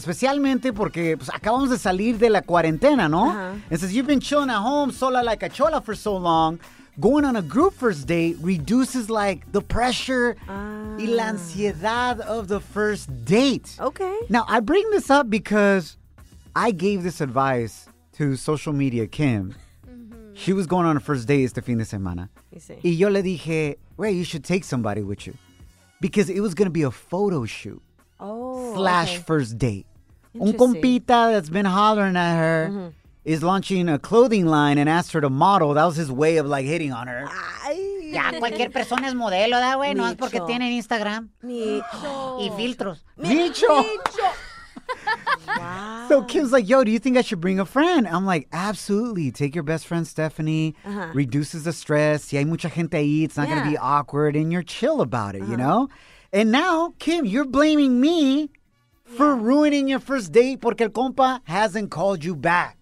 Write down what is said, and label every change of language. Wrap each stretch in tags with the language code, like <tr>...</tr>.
<es>Especialmente porque pues, acabamos de salir de la cuarentena, ¿no? Uh-huh.</es> <en>And since you've been chilling at home</en> <es>sola</es> <en>like a chola for so long, going on a group first date reduces, like, the pressure</en> <es>y la ansiedad</es> <en>of the first date. Okay. Now, I bring this up because I gave this advice to social media Kim. Mm-hmm. She was going on a first date</en> <es>este fin de semana.</es> <en>You see.</en> <es>Y yo le dije,</es> <en>well, you should take somebody with you. Because it was going to be a photo shoot. First date.</en> <es>Un compita</es> <en>that's been hollering at her. Mm-hmm. Is launching a clothing line and asked her to model. That was his way of, like, hitting on her.</en> <es>Ya, cualquier persona es modelo, da, güey. No es porque tienen Instagram. Micho. Y filtros. Micho. Micho.</es> <en>Wow. So Kim's like, yo, do you think I should bring a friend? I'm like, absolutely. Take your best friend, Stephanie. Uh-huh. Reduces the stress.</en> <es>Si hay mucha gente ahí,</es> <en>it's not going to be awkward. And you're chill about it, you know? And now, Kim, you're blaming me for ruining your first date</en> <es>porque el compa</es> <en>hasn't called you back.</en>